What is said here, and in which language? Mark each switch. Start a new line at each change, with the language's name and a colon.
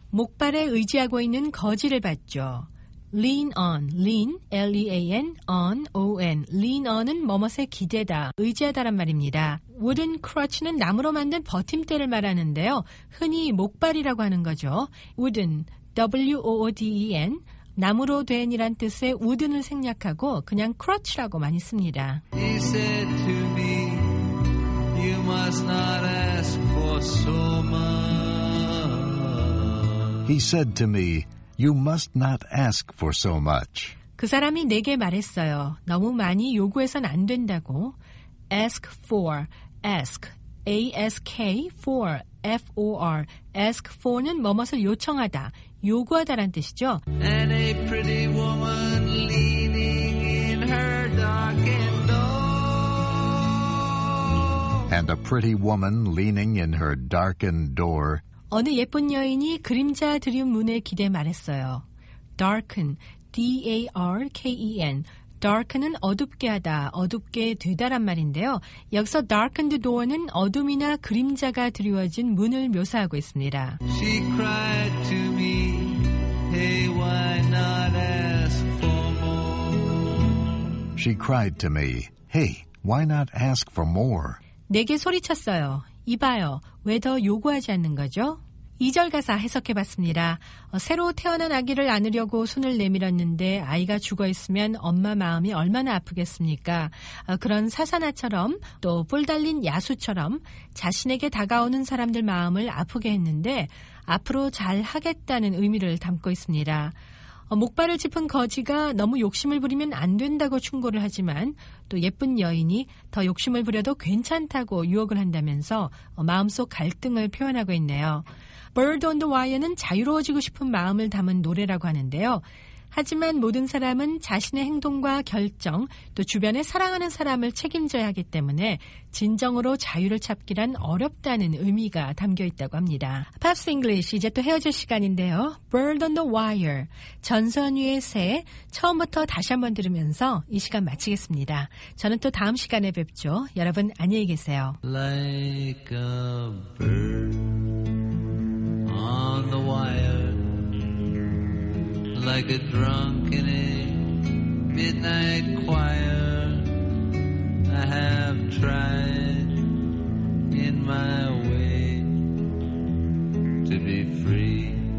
Korean: 목발에 의지하고 있는 거지를 봤죠.
English: Lean on, lean, L-E-A-N, on, O-N.
Korean: Lean on은 뭐뭐에 기대다, 의지하다란 말입니다. Wooden crutch는 나무로 만든 버팀대를 말하는데요. 흔히 목발이라고 하는 거죠. Wooden, W-O-O-D-E-N, 나무로 된이란 뜻의 wooden을 생략하고 그냥 crutch라고 많이 씁니다.
English: He said to me, you must not ask for so much. He said to me, You must not ask for so much.
Korean: 그 사람이 내게 말했어요. 너무 많이 요구해선 안 된다고.
English: Ask for, ask, A-S-K, for, F-O-R.
Korean: Ask for는 뭐뭇을 요청하다, 요구하다란 뜻이죠.
English: And a pretty woman leaning in her darkened door. And a pretty woman leaning in her darkened door.
Korean: 어느 예쁜 여인이 그림자 드린 문에 기대 말했어요. Darken,
English: darken.
Korean: darken은 어둡게 하다, 어둡게 되다란 말인데요. 여기서 darkened door는 어둠이나 그림자가 드리워진 문을 묘사하고 있습니다.
English: She cried to me, hey, why not ask for more? She cried to me, hey, why not ask for more?
Korean: 내게 소리쳤어요. 이봐요, 왜 더 요구하지 않는 거죠? 2절 가사 해석해봤습니다. 새로 태어난 아기를 안으려고 손을 내밀었는데 아이가 죽어있으면 엄마 마음이 얼마나 아프겠습니까? 그런 사사나처럼 또 뿔 달린 야수처럼 자신에게 다가오는 사람들 마음을 아프게 했는데 앞으로 잘하겠다는 의미를 담고 있습니다. 목발을 짚은 거지가 너무 욕심을 부리면 안 된다고 충고를 하지만 또 예쁜 여인이 더 욕심을 부려도 괜찮다고 유혹을 한다면서 마음속 갈등을 표현하고 있네요. Bird on the Wire는 자유로워지고 싶은 마음을 담은 노래라고 하는데요. 하지만 모든 사람은 자신의 행동과 결정, 또 주변에 사랑하는 사람을 책임져야 하기 때문에 진정으로 자유를 찾기란 어렵다는 의미가 담겨 있다고 합니다. Pops English, 이제 또 헤어질 시간인데요. Bird on the Wire, 전선 위의 새, 처음부터 다시 한번 들으면서 이 시간 마치겠습니다. 저는 또 다음 시간에 뵙죠. 여러분, 안녕히 계세요.
English: Like a bird on the wire, like a drunk in a midnight choir, I have tried in my way to be free.